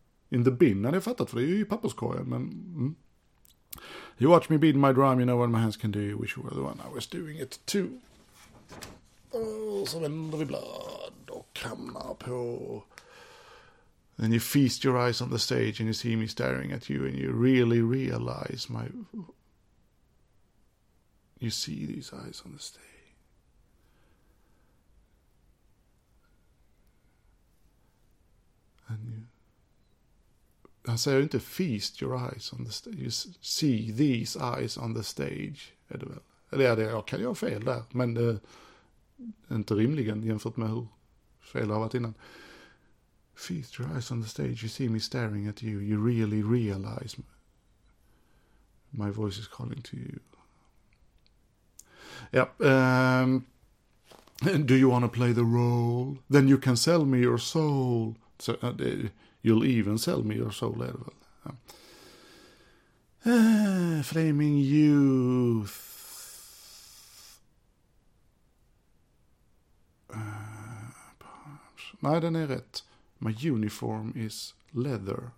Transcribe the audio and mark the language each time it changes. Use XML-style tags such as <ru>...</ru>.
<en>In the bin,</en> <sv>hade jag fattat, för det är ju i papperskorgen, men... Mm.</sv> <en>You watch me beat my drum, you know what my hands can do. You wish you were the one I was doing it too.</en> <sv>Och så vänder vi blad och kramar på.</sv> <en>And you feast your eyes on the stage and you see me staring at you and you really realize my... You see these eyes on the stage.</en> <sv>Han säger inte</sv> <en>feast your eyes on the stage. You see these eyes on the stage.</en> <sv>Är det väl? Eller är det, ja, kan jag ha fel där? Men inte rimligen jämfört med hur fel har varit innan.</sv> <en>Feast your eyes on the stage. You see me staring at you. You really realize my voice is calling to you.</en> <sv>Ja.</sv> <en>Do you want to play the role? Then you can sell me your soul. So, you'll even sell me your soul,</en> <sv>är det väl? Ja.</sv> <en>Flaming youth.</en> <sv>Nej, den är rätt.</sv> <en>My uniform is leather.</en>